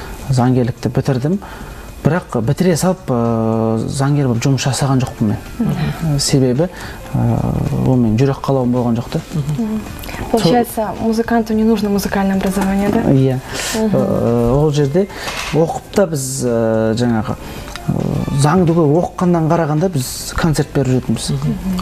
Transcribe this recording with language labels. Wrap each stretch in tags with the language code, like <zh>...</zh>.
<kk>Заңгерлікті бітірдім. Бірақ бітіре салып заңгер болып жұмыс жасаған жоқпын мен. Себебі ол мен жүрек қалауым болған жоқ та.</kk> <ru>Получается, музыканту не нужно музыкальное образование, да?</ru> <kk>Иә. Ол жерде оқып та біз жаңағы заңды оқығаннан қарағанда біз концерт беріп жүрдіміз.</kk>